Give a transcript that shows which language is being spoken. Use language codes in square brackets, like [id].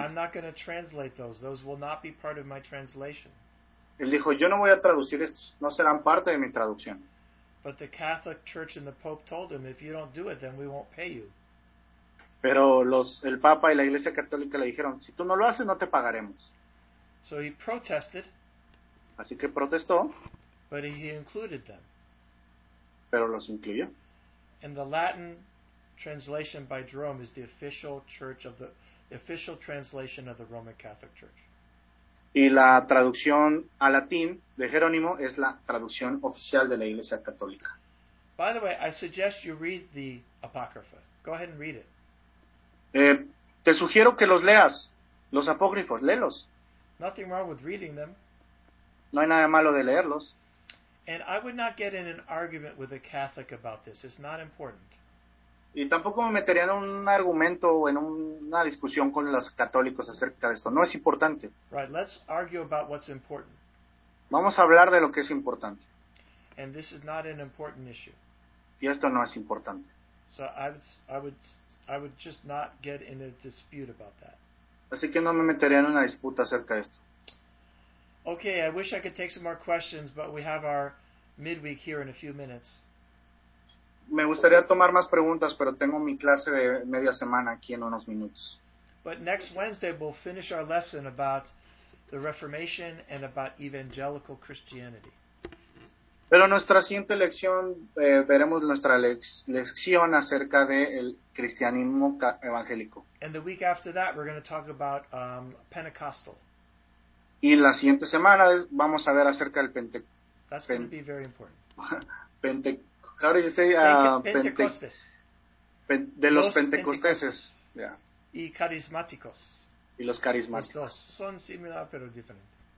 [en] I'm not going to translate those. Those will not be part of my translation. [es] Él dijo, yo no voy a traducir estos. No serán parte de mi traducción. [en] But the Catholic Church and the Pope told him, if you don't do it, then we won't pay you. [es] Pero el Papa y la Iglesia Católica le dijeron, si tú no lo haces, no te pagaremos. [en] So he protested. [es] Así que protestó. [en] But he included them. [es] Pero los incluyó. [en] And the Latin translation by Jerome is the official church of the official translation of the Roman Catholic Church. [es] Y la traducción a latín de Jerónimo es la traducción oficial de la Iglesia Católica. [en] By the way, I suggest you read the Apocrypha. Go ahead and read it. [es] Te sugiero que los leas, los apócrifos, léelos. [en] Nothing wrong with reading them. [es] No hay nada malo de leerlos. [en] And I would not get in an argument with a Catholic about this. It's not important. [es] Y tampoco me metería en un argumento o en una discusión con los católicos acerca de esto. No es importante. [en] Right, let's argue about what's important. [es] Vamos a hablar de lo que es importante. [en] And this is not an important issue. [es] Y esto no es importante. [en] So I would just not get in a dispute about that. [es] Así que no me metería en una disputa acerca de esto. [en] Okay, I wish I could take some more questions, but we have our midweek here in a few minutes. [es] Me gustaría tomar más preguntas, pero tengo mi clase de media semana aquí en unos minutos. [en] But next Wednesday we'll finish our lesson about the Reformation and about evangelical Christianity. [es] Pero nuestra siguiente lección, veremos nuestra lección acerca del cristianismo evangélico. [en] And the week after that we're going to talk about Pentecostal. [es] Y la siguiente semana vamos a ver acerca del [en] That's going to be very important. How do you say [es] Pentecostes? De los pentecosteses. Y carismáticos. Y los carismáticos. Los dos son similar pero diferentes.